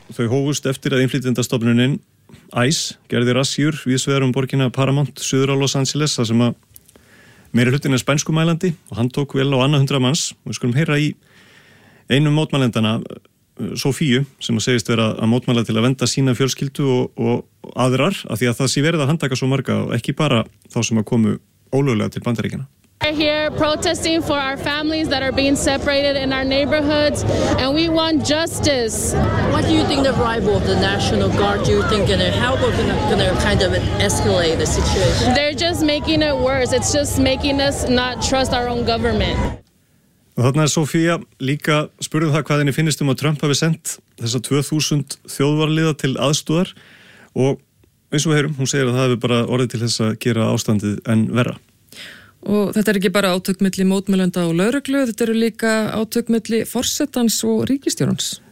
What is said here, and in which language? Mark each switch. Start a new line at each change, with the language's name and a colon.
Icelandic: Þau hófust eftir að innflytjendastofnunin ICE gerði rassíur víðsvegar borgina Paramount suður á Los Angeles þar sem að meiri hlutin er spænskumælandi og hann tók vel á annað 100 manns og við skulum heyra í einum mótmælendana Sofíu sem að segist vera að mótmæla til að venda sína fjölskyldu og aðrar af því að það sé verið að handtaka svo marga og ekki bara þá sem að komu ólöglega til Bandaríkjana.
English: We're here protesting for our families that are being separated in our neighborhoods and we want justice. What do you think the arrival of the National Guard, do you think gonna help or gonna kind of escalate the situation? They're just making it worse. It's just making us not trust our own government.
Icelandic: Og þarna er Sofía líka spurðið það hvað henni finnist að Trump hafi sent þessa 2000 þjóðvarliða til aðstoðar og eins og heyrum, hún segir að það hefur bara orðið til þess að gera ástandið enn verra. Og þetta er ekki bara átök milli mótmælenda og lögreglu, þetta eru líka átök milli forsetans og ríkisstjórans.